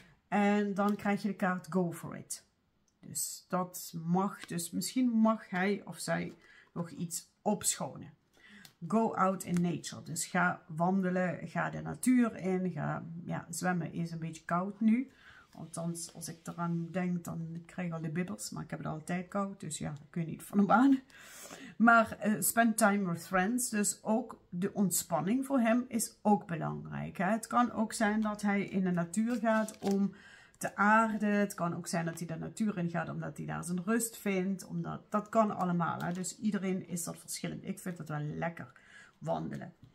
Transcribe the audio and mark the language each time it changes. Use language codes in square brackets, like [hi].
[nl] En dan krijg je de kaart go for it. Dus dat mag, dus misschien mag hij of zij nog iets opschonen. [en] Go out in nature. [nl] Dus ga wandelen, ga de natuur in, ga zwemmen. Is een beetje koud nu. Althans, als ik eraan denk, dan krijg ik al de bibbers. Maar ik heb het altijd koud, dus ja, daar kun je niet van op aan. [en] Maar spend time with friends. [nl] Dus ook de ontspanning voor hem is ook belangrijk. Hè? Het kan ook zijn dat hij in de natuur gaat om te aarden. Het kan ook zijn dat hij de natuur in gaat omdat hij daar zijn rust vindt. Dat kan allemaal. Hè? Dus iedereen is dat verschillend. Ik vind het wel lekker wandelen.